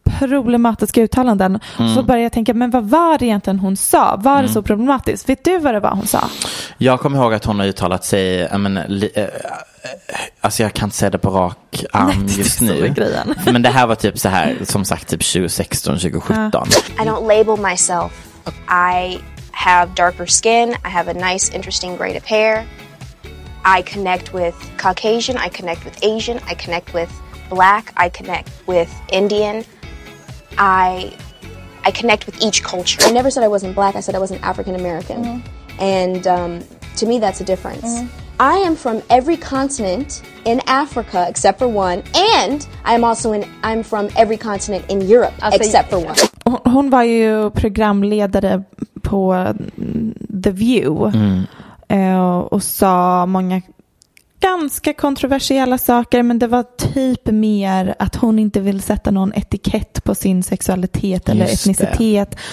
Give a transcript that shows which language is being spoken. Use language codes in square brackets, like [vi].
[sv] otroliga matematiska uttalanden. Mm. Så började jag tänka, men vad var det egentligen hon sa? Var det så problematiskt? Vet du vad det var hon sa? Jag kommer ihåg att hon har uttalat sig... alltså jag kan inte säga det på rak arm just nu. Men det här var typ så här, som sagt, typ 2016-2017. [en] I don't label myself. I have darker skin. I have a nice, interesting grade of hair. I connect with Caucasian. I connect with Asian. I connect with Black. I connect with Indian. I connect with each culture. I never said I wasn't Black. I said I wasn't African American. Mm-hmm. And to me, that's a difference. Mm-hmm. I am from every continent in Africa except for one, and I'm from every continent in Europe except for one. [sv] Hon var ju programledare på The View och sa många ganska kontroversiella saker, men det var typ mer att hon inte vill sätta någon etikett på sin sexualitet eller just etnicitet. Det.